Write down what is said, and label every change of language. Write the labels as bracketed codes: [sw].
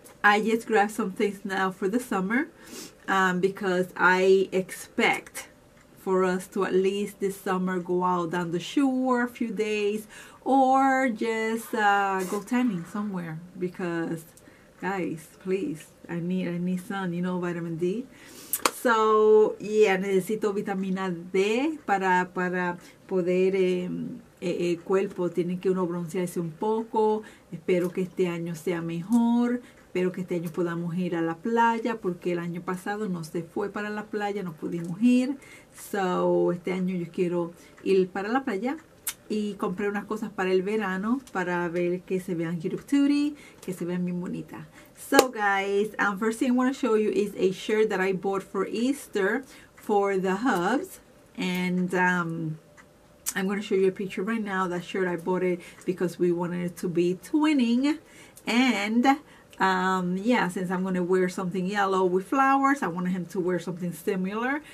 [en] I just grabbed some things now for the summer because I expect for us to at least this summer go out down the shore a few days or just go tanning somewhere, because guys, please, I need sun, you know, vitamin D. [es] So, yeah, necesito vitamina D para poder, el cuerpo tiene que uno broncearse un poco. Espero que este año sea mejor. Espero que este año podamos ir a la playa, porque el año pasado no se fue para la playa, no pudimos ir. So, este año yo quiero ir para la playa. Y compré unas cosas para el verano, para ver que se vean cutie, que se vean bien bonitas. [en] So guys, first thing I want to show you is a shirt that I bought for Easter for the hubs. And I'm going to show you a picture right now. That shirt, I bought it because we wanted it to be twinning. And since I'm going to wear something yellow with flowers, I wanted him to wear something similar.